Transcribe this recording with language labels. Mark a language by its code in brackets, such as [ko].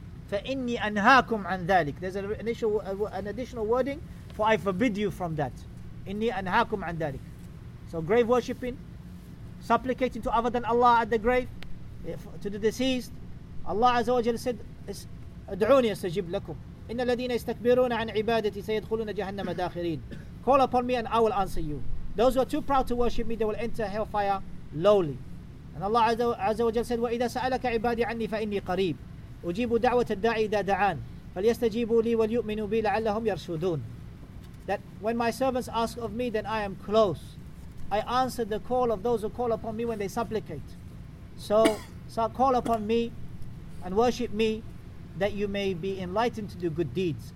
[ar] فَإِنِّي أَنْهَاكُمْ عَنْ ذَلِكَ. [en] There's an additional wording, for I forbid you from that. [ar] إِنِّي أَنْهَاكُمْ عَنْ ذَلِكَ. [en] So grave worshipping, supplicating to other than Allah at the grave, to the deceased, Allah Azza wa Jalla said, [ar] ادعوني استجب لكم. إن الذين يستكبرون عن عبادتي سيدخلون جهنم داخرين. [en] Call upon me and I will answer you. Those who are too proud to worship me, they will enter hellfire lowly. And Allah Azza wa Jalla said, [ar] وإذا سألك عبادي عني فإني قريب. أجيب دعوة الداعي إذا دعان. فليستجيبوا لي وليؤمنوا بي لعلهم يرشدون. [en] That when my servants ask of me, then I am close. I answer the call of those who call upon me when they supplicate. So call upon me and worship me that you may be enlightened to do good deeds.